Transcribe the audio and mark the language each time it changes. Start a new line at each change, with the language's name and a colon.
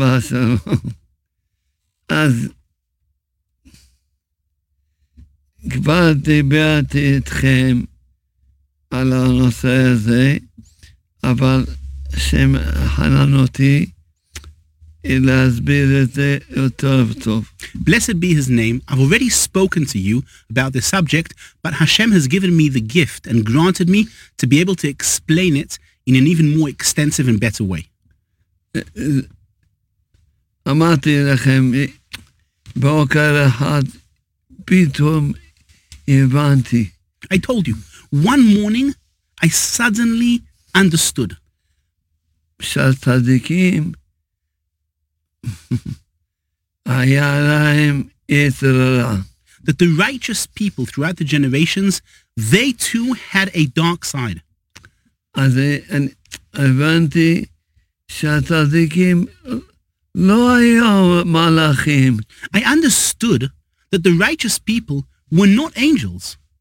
Hebrew: Marshall, אז כבר דיברתי אתכם על הנושא הזה, אבל שמחנן אותי להסביר את זה יותר טוב.
English: Blessed be his name. I've already spoken to you about this subject, but Hashem has given me the gift and granted me to be able to explain it in an even more extensive and better way.
Hebrew: אמרתי לכם, בוקר אחד, פתאום הבנתי.
English: I told you, one morning, I suddenly understood.
Hebrew: שהצדיקים, היה להם יצר הרע.
English: That the righteous people throughout the generations, they too had a dark side.
Hebrew: אז הבנתי שהצדיקים לא היו מלאכים.
English: I understood that the righteous people were not angels.